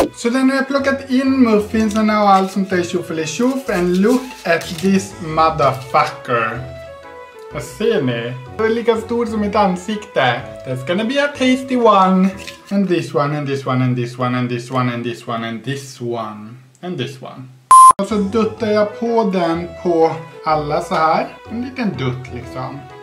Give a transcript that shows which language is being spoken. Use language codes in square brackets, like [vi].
[sv] Så den har jag plockat in muffinsarna och allt sånt där tjofle tjof. [en] And look at this motherfucker. [sv] Vad ser ni? Den är lika stor som mitt ansikte. [en] That's gonna be a tasty one. And this one, and this one, and this one, and this one, and this one, and this one. And this one. [sv] Och så duttar jag på den på alla så här. En liten dutt liksom.